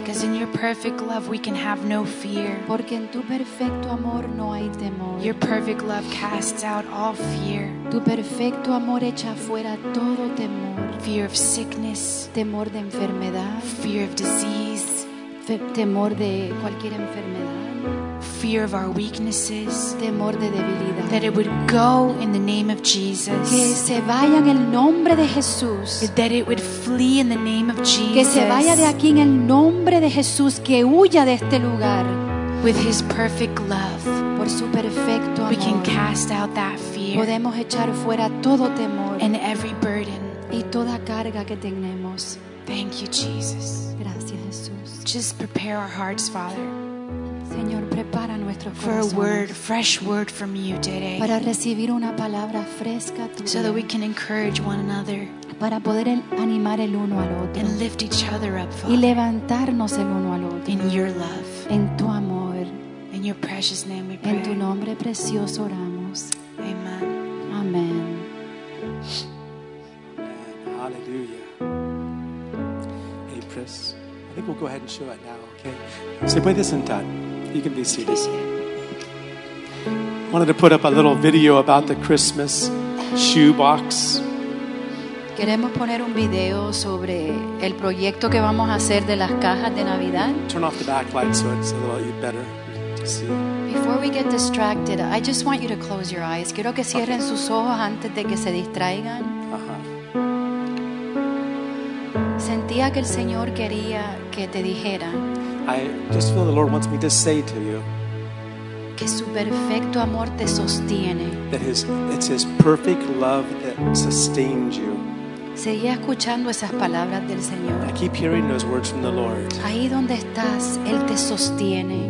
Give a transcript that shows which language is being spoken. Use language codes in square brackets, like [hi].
[en] Because in your perfect love we can have no fear. [es] Porque en tu perfecto amor no hay temor. [en] Your perfect love casts out all fear. [es] Tu perfecto amor echa fuera todo temor. [en] Fear of sickness. [es] Temor de enfermedad. [en] Fear of disease. [es] Temor de cualquier enfermedad. [en] Fear of our weaknesses. [es] Temor de debilidad. [en] That it would go in the name of Jesus. [es] Que se vaya en el nombre de Jesús. [en] That it would flee in the name of Jesus. [es] Que se vaya de aquí en el nombre de Jesús. Que huya de este lugar. [en] With his perfect love. [es] Por su perfecto amor. [en] We can cast out that fear. [es] Podemos echar fuera todo temor. [en] And every burden. [es] Y toda carga que tenemos. [en] Thank you, Jesus. [es] Gracias, Jesús. [en] Just prepare our hearts, Father. [es] Señor, prepara nuestros corazones. [en] For a word, fresh word from you today. [es] Para recibir una palabra fresca tuya. [en] So that we can encourage one another. [es] Para poder animar el uno al otro. [en] And lift each other up, Father. [es] Y levantarnos el uno al otro. [en] In your love. [es] En tu amor. [en] In your precious name we pray. [es] En tu nombre precioso oramos. [en] Amen. [es] Amen. [en] Hallelujah. Hey, Chris. I think we'll go ahead and show it now, okay? So, [es] puede sentar. [en] You can be seated. I wanted to put up a little video about the Christmas shoebox. [es] Queremos poner un video sobre el proyecto que vamos a hacer de las cajas de Navidad. [en] Turn off the backlight so it's a little better to see. Before we get distracted, I just want you to close your eyes. [es] Quiero que cierren sus ojos antes de que se distraigan. Sentía que el Señor quería que te dijera. [en] I just feel the Lord wants me to say to you. [es] Que su perfecto amor te sostiene. [en] That it's His perfect love that sustains you. [es] Seguía escuchando esas palabras del Señor. [en] I keep hearing those words from the Lord. [es] Ahí donde estás, Él te sostiene.